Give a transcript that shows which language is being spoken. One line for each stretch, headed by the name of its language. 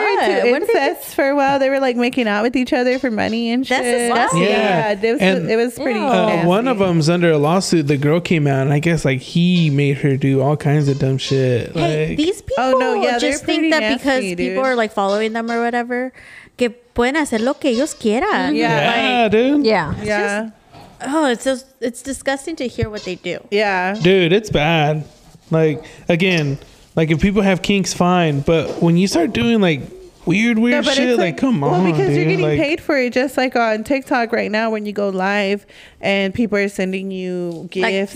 English: Were into incest for a while. They were like making out with each other for money and shit. That's disgusting. Yeah, it was pretty. One of them's under a lawsuit. The girl came out, and I guess like he made her do all kinds of dumb shit. Hey, like, these people just think that nasty, because dude. People are like following them or whatever.
Spanish: Que pueden hacer lo que ellos quieran.
English: Yeah, like, yeah, dude. Yeah, yeah. It's disgusting to hear what they do. Yeah, dude, it's bad. Like, again, like, if people have kinks, fine, but when you start doing like weird shit, like come on. Well, because dude, you're getting like, paid for it, just like on TikTok right now when you go live and people are sending you gifts, like,